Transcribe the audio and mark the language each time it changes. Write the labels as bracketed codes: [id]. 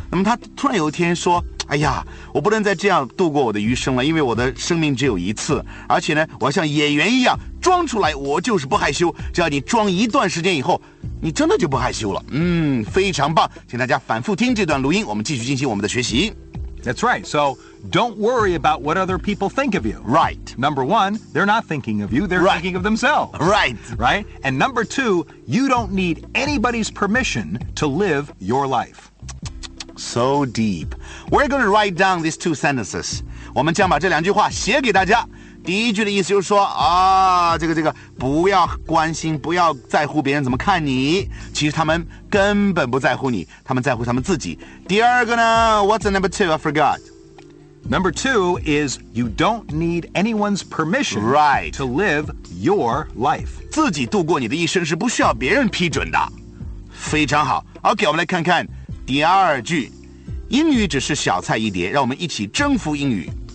[zh] 那么他突然有一天说，哎呀，我不能再这样度过我的余生了，因为我的生命只有一次，而且呢，我要像演员一样装出来，我就是不害羞。只要你装一段时间以后，你真的就不害羞了。嗯，非常棒，请大家反复听这段录音，我们继续进行我们的学习。 [en] That's right. So don't worry about what other people think of you. Right. Number one, they're not thinking of you. They're right. thinking of themselves. Right. Right. And number two, you don't need anybody's permission to live your life. So deep. We're going to write down these two sentences. [zh] 我们将把这两句话写给大家。第一句的意思就是说啊，这个不要关心，不要在乎别人怎么看你，其实他们根本不在乎你，他们在乎他们自己。第二个呢， [en] What's the number two? I forgot. Number two is you don't need anyone's permission, right, to live your life. [zh] 自己度过你的一生是不需要别人批准的。非常好。 OK, 我们来看看第二句。英语只是小菜一碟，让我们一起征服英语。